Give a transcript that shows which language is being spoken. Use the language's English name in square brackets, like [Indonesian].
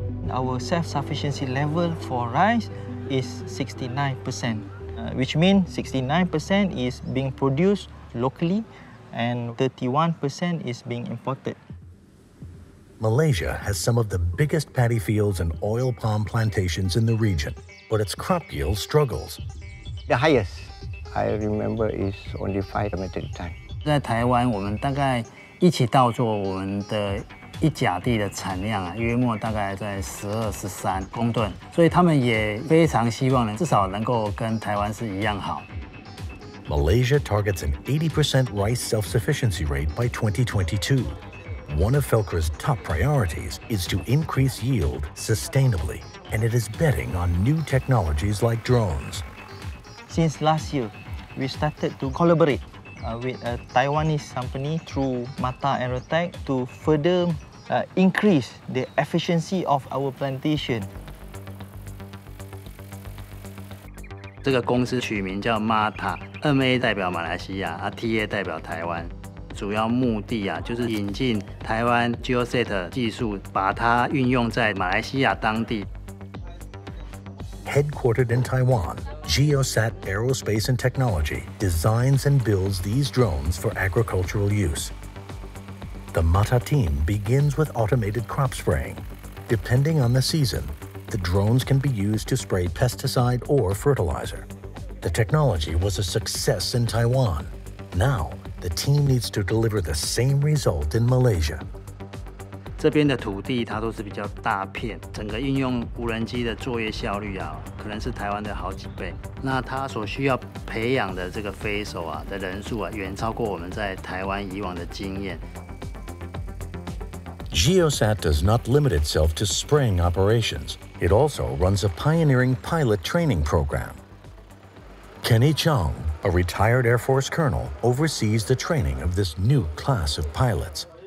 [English] Our self-sufficiency level for rice is 69%, which means 69% is being produced locally and 31% is being imported. Malaysia has some of the biggest paddy fields and oil palm plantations in the region, but its crop yield struggles. The highest I remember is only 5 metric tons. [Chinese] 在台湾，我们大概一起稻作，我们的一甲地的产量啊，约莫大概在12-13公吨。所以他们也非常希望至少能够跟台湾是一样好。 [English] Malaysia targets an 80% rice self-sufficiency rate by 2022. One of FELCRA's top priorities is to increase yield sustainably, and it is betting on new technologies like drones. Since last year, we started to collaborate with a Taiwanese company through Mata Aerotech to further increase the efficiency of our plantation. This company's name is Mata. M-A [Chinese] 代表马来西亚， [English] T-A [Chinese] 代表台湾。主要目的啊，就是引进台湾 GeoSat 技术，把它运用在马来西亚当地。 [English] Headquartered in Taiwan, GeoSat Aerospace and Technology designs and builds these drones for agricultural use. The Mata team begins with automated crop spraying. Depending on the season, the drones can be used to spray pesticide or fertilizer. The technology was a success in Taiwan. Now, the team needs to deliver the same result in Malaysia. [Chinese] 这边的土地它都是比较大片，整个应用无人机的作业效率啊，可能是台湾的好几倍。那它所需要培养的这个飞手啊的人数啊，远超过我们在台湾以往的经验。 [English] GeoSat does not limit itself to spraying operations. It also runs a pioneering pilot training program. Kenny Chong, a retired Air Force colonel, oversees the training of this new class of pilots.